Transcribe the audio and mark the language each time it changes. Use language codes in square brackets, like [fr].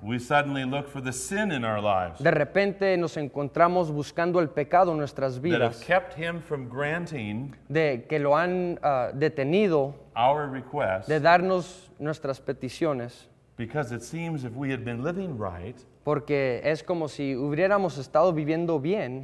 [en] We suddenly look for the sin in our lives. [es] De repente nos encontramos buscando el pecado en nuestras vidas. [en] That have kept him from granting. [es] De que lo han detenido. [en] Our requests. [es] De darnos nuestras peticiones. [en] Because it seems if we had been living right. [es] Porque es como si hubiéramos estado viviendo bien.